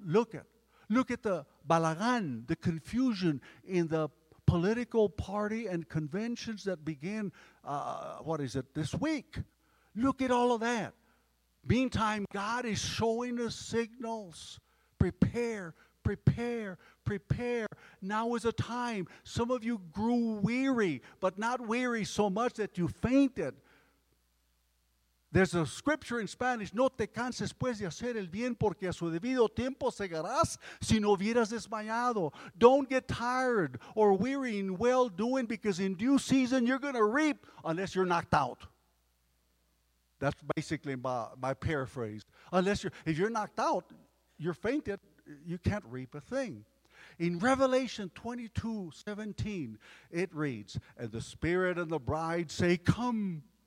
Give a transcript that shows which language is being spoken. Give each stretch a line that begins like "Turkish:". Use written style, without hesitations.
English: Look at the balagan, the confusion in the political party and conventions that begin, this week. Look at all of that. Meantime, God is showing us signals. Prepare, prepare, prepare. Now is a time. Some of you grew weary, but not weary so much that you fainted. There's a scripture in Spanish,
Spanish: no te canses pues de hacer el bien porque a su debido tiempo segarás si no hubieras desmayado.
English: Don't get tired or weary in well doing because in due season you're going to reap unless you're knocked out. That's basically my paraphrase. If you're knocked out, you're fainted, you can't reap a thing. In Revelation 22:17, it reads, and the Spirit and the bride say, come.